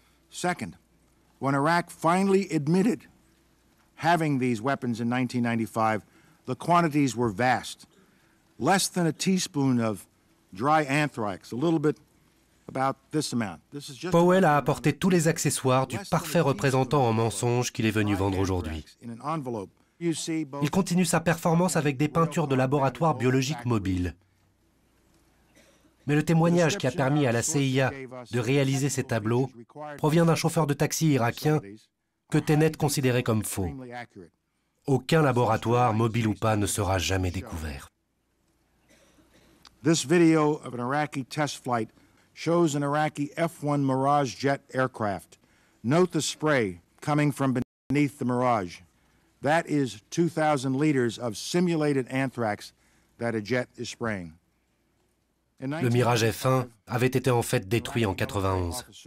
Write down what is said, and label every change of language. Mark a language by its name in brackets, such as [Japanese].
[English] Second, when Iraq finally admitted having these weapons in 1995, the quantities were vast. Less than a teaspoon of dry anthrax, a little bit. [French] Powell a apporté tous les accessoires du parfait représentant en mensonge qu'il est venu vendre aujourd'hui. Il continue sa performance avec des peintures de laboratoire biologique mobile. Mais le témoignage qui a permis à la CIA de réaliser ces tableaux provient d'un chauffeur de taxi irakien que Tenet considérait comme faux. Aucun laboratoire, mobile ou pas, ne sera jamais découvert. [English] This video of an Iraqi test flight shows an Iraqi F-1 Mirage jet aircraft. Note the spray coming from beneath the Mirage. That is 2,000 liters of simulated anthrax that a jet is spraying. [French] Le Mirage F-1 avait été en fait détruit en 91.